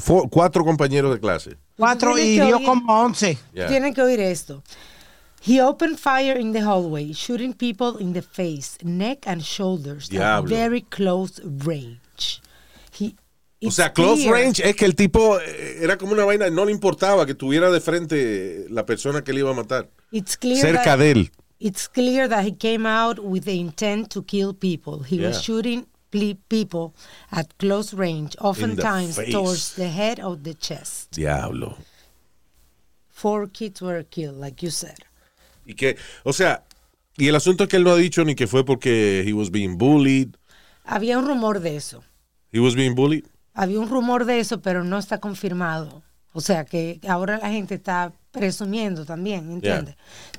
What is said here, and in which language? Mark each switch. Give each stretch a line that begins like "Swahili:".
Spanish: Cuatro compañeros de clase. Cuatro y dio como 11. Yeah. Tienen que oír esto.
English: He opened fire in the hallway, shooting people in the face, neck, and shoulders.
Spanish: Diablo.
English: At very close range.
Spanish: O sea, close range es que el tipo era como una vaina, no le importaba que tuviera de frente la persona que le iba a matar.
English: It's clear
Spanish: cerca
English: that,
Spanish: de él.
English: It's clear that he came out with the intent to kill people. He was shooting people at close range, oftentimes towards the head or the chest.
Spanish: Diablo.
English: Four kids were killed, like you said.
Spanish: Y que, o sea, y el asunto es que él no ha dicho ni que fue porque
English: he was being bullied.
Spanish: Había un rumor de eso.
English: He was being bullied.
Spanish: Había un rumor de eso, pero no está confirmado. O sea, que ahora la gente está presumiendo también, ¿entiendes? Yeah.